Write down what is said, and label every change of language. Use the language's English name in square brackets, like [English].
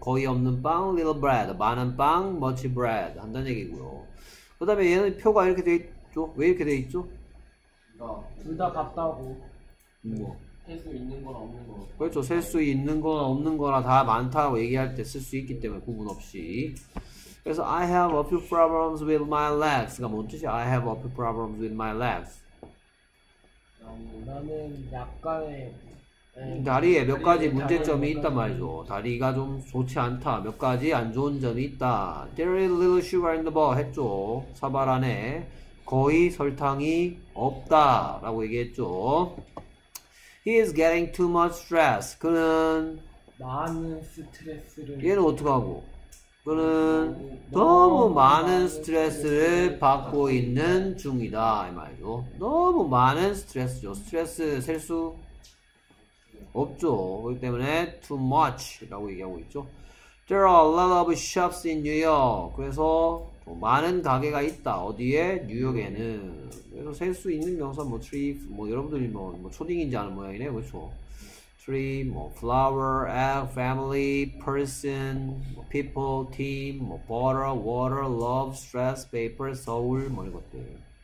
[Korean] 거의 없는 빵, little bread, 많은 빵, much bread 한다는 얘기고요. 그 다음에 얘는 표가 이렇게 돼 있죠? 왜 이렇게 돼 있죠? 둘 다 같다고. 뭐? 셀 수 있는 거나 없는 거. 그렇죠. 셀 수 있는 거나 없는 거나 다 많다고 얘기할 때 쓸 수 있기 때문에 구분 없이. 그래서 [English] I have a few problems with my legs. [Korean] 가 뭔 뜻이야? [English] I have a few problems with my legs. [Korean] 나는 약간의 다리에 몇 가지 문제점이 있단 말이죠. 다리가 좀 좋지 않다. 몇 가지 안 좋은 점이 있다. [English] There is a little sugar in the bowl [Korean] 했죠. 사발 안에 거의 설탕이 없다 라고 얘기했죠. [English] He is getting too much stress. [Korean] 그는 많은 스트레스를 얘는 어떡하고 그는 너무 많은 스트레스를 받고 있는 중이다 이 말이죠. 너무 많은 스트레스죠. 스트레스 셀 수 없죠. 그렇기 때문에 too much 라고 얘기하고 있죠. [English] There are a lot of shops in New York. [Korean] 그래서 많은 가게가 있다. 어디에? 뉴욕에는. 그래서 셀 수 있는 명사 뭐 tree 뭐 여러분들이 뭐 초딩인지 아는 모양이네. 그렇죠. tree 뭐 flower, egg, family, person, people, team, 뭐 butter, water, love, stress, paper, 서울 뭐 이런 것들.